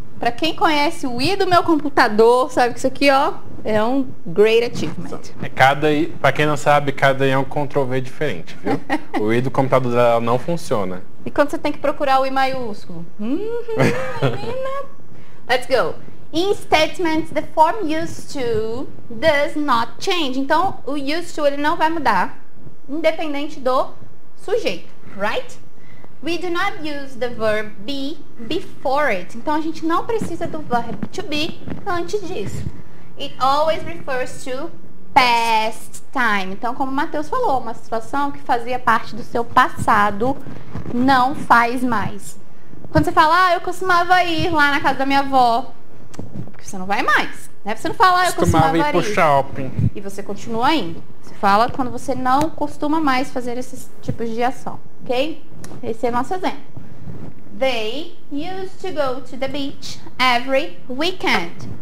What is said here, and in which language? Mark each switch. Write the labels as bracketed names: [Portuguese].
[Portuguese] Para quem conhece o I do meu computador, sabe que isso aqui, ó, é um [English] great achievement. [Portuguese] É cada I, para quem não sabe, cada I é um Ctrl V diferente, viu? O I do computador dela não funciona. E quando você tem que procurar o I maiúsculo? Menina! [English] Let's go. In statements, the form used to does not change. [Portuguese] Então, o used to, ele não vai mudar, independente do sujeito, [English] right? We do not use the verb be before it. [Portuguese] Então, a gente não precisa do verb to be antes disso. [English] It always refers to past time. [Portuguese] Então, como o Matheus falou, uma situação que fazia parte do seu passado não faz mais. Quando você fala, ah, eu costumava ir lá na casa da minha avó. Porque você não vai mais. Né? Você não fala, ah, eu costumava ir pro shopping. E você continua indo. Você fala quando você não costuma mais fazer esses tipos de ação. Ok? Esse é o nosso exemplo. [English] They used to go to the beach every weekend.